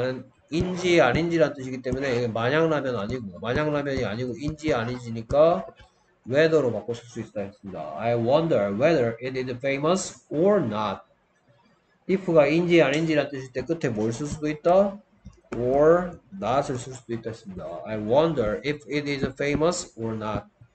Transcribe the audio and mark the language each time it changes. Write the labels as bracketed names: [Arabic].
[Korean] 나는 인지 아닌지란 뜻이기 때문에 이게 마냥라면 아니고 마냥라면이 아니고 인지 아닌지니까. whether로 바꿔 쓸수 있다 했습니다. [English] I wonder whether it is famous or not. [Korean] if가 인지 아닌지라는 뜻일 때 끝에 뭘쓸 수도 있다? or not을 쓸 수도 있다 했습니다. [English] I wonder if it is famous or not.